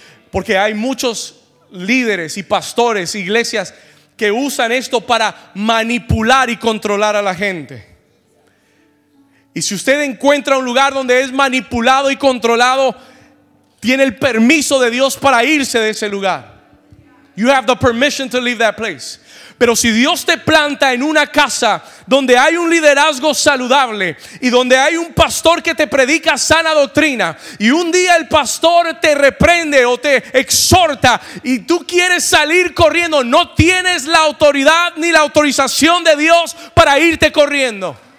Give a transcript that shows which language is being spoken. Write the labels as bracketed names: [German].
[Spanish] Porque hay muchos líderes y pastores, iglesias, que usan esto para manipular y controlar a la gente. Y si usted encuentra un lugar donde es manipulado y controlado, tiene el permiso de Dios para irse de ese lugar. [English] You have the permission to leave that place. [Spanish] Pero si Dios te planta en una casa donde hay un liderazgo saludable y donde hay un pastor que te predica sana doctrina, y un día el pastor te reprende o te exhorta y tú quieres salir corriendo, no tienes la autoridad ni la autorización de Dios para irte corriendo.